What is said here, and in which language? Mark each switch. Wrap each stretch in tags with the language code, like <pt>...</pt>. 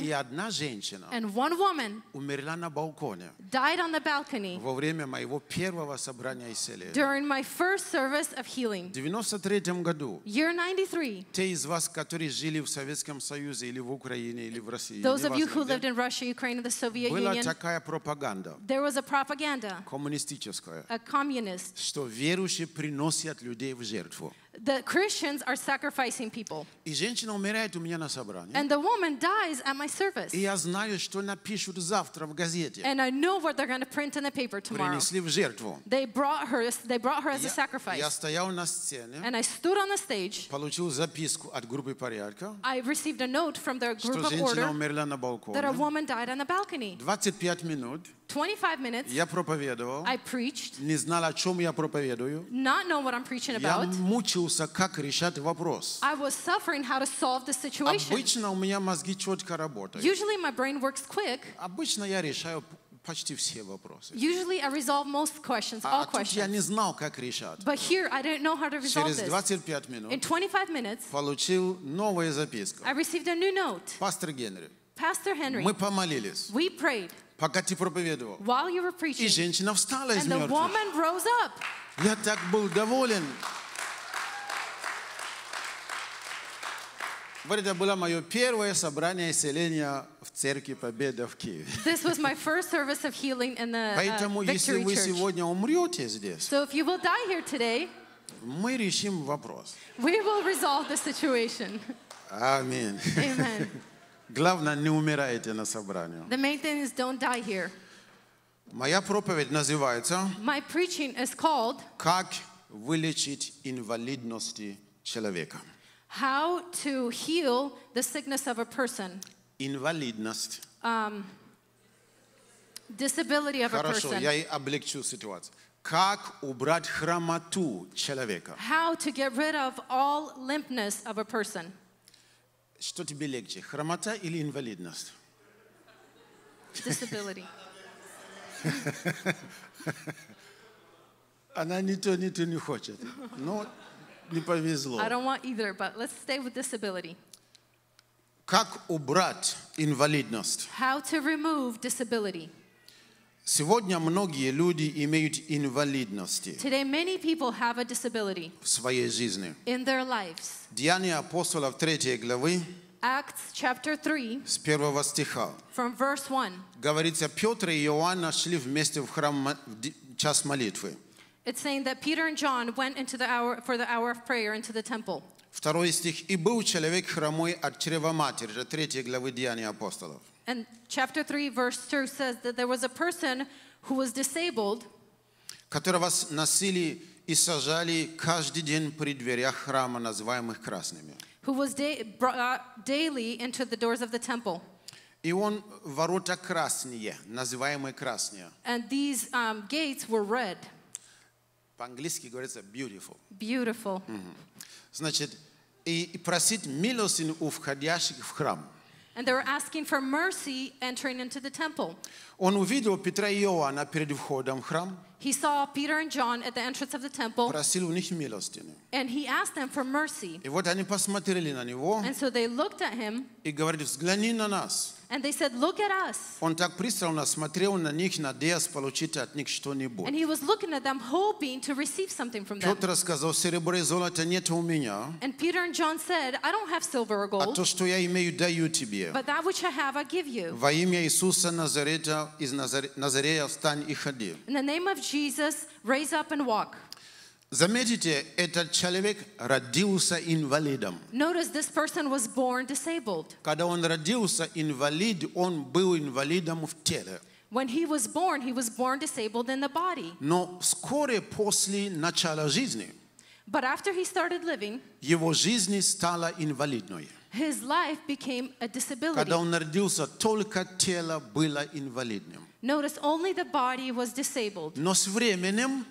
<ru>И одна женщина.</ru> <en>And one woman.</en> <ru>Умерла на балконе.</ru> <en>Died on the balcony.</en> <ru>Во время моего первого собрания исцеления.</ru> <en>During my first service of healing.</en> <ru>В 93-м году.</ru> <en>Year 93.</en> <ru>Те из вас, которые жили в Советском Союзе или в Украине или в России.</ru> <en>Those of you who lived in Russia, Ukraine, or the Soviet Union.</en> <ru>Была такая пропаганда.</ru> <en>There was a propaganda.</en> <ru>Коммунистическая.</ru> <en>A communist.</en> <ru>Что верующие приносят людей в жертву.</ru> <en>The Christians are sacrificing people.</en> <ru>И женщина умирает у меня на собрании.</ru> <en>And the woman dies at my service.</en> <ru>И я знаю, что напишут завтра в газете.</ru> <en>And I know what they're going to print in the paper tomorrow.</en> <ru>Принесли в жертву.</ru> <en>They brought her as a sacrifice.</en> <ru>Я стоял на сцене.</ru> <en>And I stood on the stage.</en> <ru>Получил записку от группы порядка.</ru> <en>I received a note from their group of order.</en> <ru>Что женщина умерла на балконе.</ru> <en>That a woman died on the balcony.</en> <ru>25 минут.</ru> <en>25 minutes.</en> <ru>Я проповедовал.</ru> <en>I preached.</en> <ru>Не знал, о чем я проповедую.</ru> <en>Not know what I'm preaching about.</en> <ru>Я мучился, как решать вопрос.</ru> <en>I was suffering how to solve the situation.</en> <ru>Обычно у меня мозги четко работают.</ru> <en>Usually my brain works quick.</en> <ru>Обычно я решаю почти все вопросы.</ru> <en>Usually I resolve most questions, all questions.</en> <ru>Я не знал, как решать.</ru> <en>But here I didn't know how to resolve this.</en> <ru>Через 25 минут.</ru> <en>In 25 minutes.</en> <ru>Получил новую записку.</ru> <en>I received a new note.</en> <ru>Пастор Генри.</ru> <en>Pastor Henry.</en> <ru>Мы помолились.</ru> <en>We prayed.</en> <ru>Пока ты проповедовал.</ru> <en>While you were preaching.</en> <ru>И женщина встала из мертвых.</ru> <en>And the woman rose up.</en> <ru>Я так был доволен. Вот это было мое первое собрание исцеления в церкви Победа в Киеве.</ru> <en>This was my first service of healing in the Victory Church.</en> <ru>Поэтому, если вы сегодня умрете здесь,</ru> <en>so if you will die here today,</en> <ru>мы решим вопрос.</ru> <en>We will resolve the situation. Amen. Amen.</en> <ru>Главное, не умирайте на собрании.</ru> <en>The main thing is don't die here.</en> <ru>Моя проповедь называется</ru> <en>My preaching is called</en> <ru>Как вылечить инвалидность человека.</ru> <en>How to heal the sickness of a person.</en> <ru>Инвалидность.</ru> <en>Disability of</en> <ru>Хорошо,</ru> <en>a person.</en> <ru>Хорошо, я облегчу ситуацию. Как убрать хромоту человека.</ru> <en>How to get rid of all limpness of a person.</en> <ru>Что тебе легче, хромота или инвалидность?</ru> <en>Disability.</en> <ru>Она ни то не хочет. Но не повезло.</ru> <en>I don't want either, but let's stay with disability.</en> <ru>Как убрать инвалидность?</ru> <en>How to remove disability.</en> <ru>Сегодня многие люди имеют инвалидности.</ru> <en>Today many people have a disability.</en> <ru>В своей жизни.</ru> <en>In their lives.</en> <ru>Деяния апостолов 3 главы.</ru> <en>Acts chapter 3.</en> <ru>С первого стиха.</ru> <en>From verse 1.</en> <ru>Говорится, Петр и Иоанн шли вместе в храм в час молитвы.</ru> <en>It's saying that Peter and John went into the hour for the hour of prayer into the temple.</en> <ru>Второй стих. И был человек хромой от чрева матери. Это 3 главы Деяния апостолов.</ru> <en>And chapter 3 verse 2 says that there was a person who was disabled.</en> <ru>Которого носили и сажали каждый день при дверях храма, называемых красными.</ru> <en>Who was brought daily into the doors of the temple.</en> <ru>И он ворота красные, называемые красные.</ru> <en>And these gates were red.</en> <ru>По-английски говорится beautiful.</ru> <en>Beautiful. Mm-hmm.</en> <ru>Значит, и просить милости у входящих в храм.</ru> <en>And they were asking for mercy entering into the temple.</en> <ru>Он увидел Петра и Иоанна перед входом в храм.</ru> <en>He saw Peter and John at the entrance of the temple.</en> <ru>Просил у них милостыни.</ru> <en>And he asked them for mercy.</en> <ru>И вот они посмотрели на него.</ru> <en>And so they looked at him.</en> <ru>И говорили, взгляни на нас.</ru> <en>And they said, look at us.</en> <ru>Он так пристально смотрел на них, надеясь получить от них что-нибудь.</ru> <en>And he was looking at them, hoping to receive something from them.</en> <ru>Петр сказал, серебро и золото нет у меня.</ru> <en>And Peter and John said, I don't have silver or gold.</en> <ru>А то, что я имею, даю тебе.</ru> <en>But that which I have, I give you.</en> <ru>Во имя Иисуса Назарета, из Назарея встань и ходи.</ru> <en>In the name of Jesus, raise up and walk.</en> <ru>Заметите, этот человек родился инвалидом.</ru> <en>Notice this person was born disabled.</en> <ru>Когда он родился инвалид, он был инвалидом в теле.</ru> <en>When he was born disabled in the body.</en> <ru>Но вскоре после начала жизни,</ru> <en>But after he started living,</en> <ru>его жизнь стала инвалидной.</ru> <en>His life became a disability.</en> <ru>Когда он родился, только тело было инвалидным.</ru> <en>Notice only the body was disabled.</en> <ru>Но с временем,</ru>